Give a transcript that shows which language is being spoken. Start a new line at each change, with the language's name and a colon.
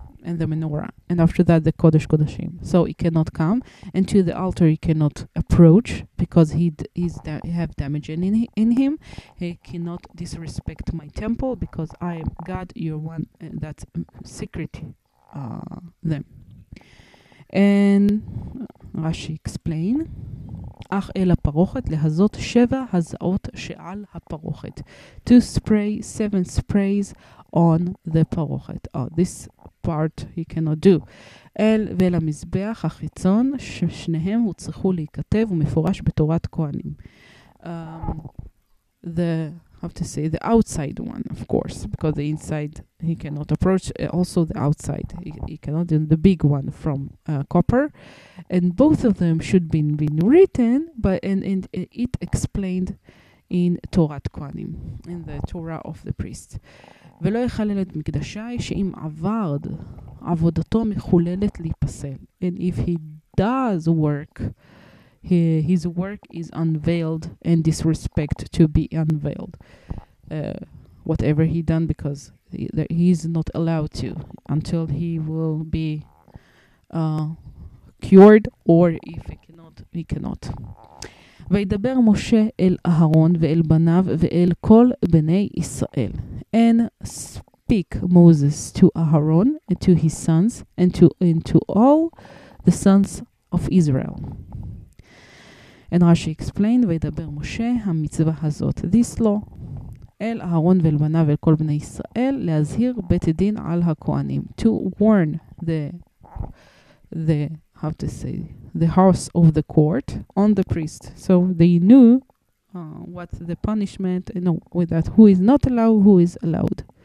English: and the menorah, and after that the Kodesh Kodashim. So he cannot come, and to the altar he cannot approach, because he have damage in him. He cannot disrespect my temple, because I am God, your one, that's secret them. And Rashi explain,
Hebrew: אך אל הפרוכת להזות שבע הזעות שעל הפרוכת.
English: To spray 7 sprays on the parochet. Oh, this part he cannot do.
Hebrew: אל ואל המזבח החיצון ששניהם הוצרכו להיכתב ומפורש בתורת כהנים.
English: The outside one, of course, because the inside he cannot approach. Also the outside, he cannot do the big one from copper. And both of them should been written, but and it explained in Torah Kohanim, in the Torah of the priest.
Hebrew: ולא יחלל את מקדשי שאם עבד עבודתו מחוללת להיפסל.
English: And if he does work, his work is unveiled and disrespect to be unveiled. Whatever he done, because he is not allowed to until he will be cured, or if he cannot, he cannot.
Hebrew: וידבר משה אל אהרון ואל בניו ואל כל בני ישראל.
English: And speak Moses to Aharon and to his sons and to all the sons of Israel. And Rashi explained,
Hebrew: וידבר משה המצווה הזאת,
English: this law,
Hebrew: אל אהרון ואל בניו ואל כל בני ישראל, להזהיר בית הדין על הכהנים,
English: to warn the house of the court on the priest, so they knew what the punishment, you know, with that, who is not allowed, who is allowed.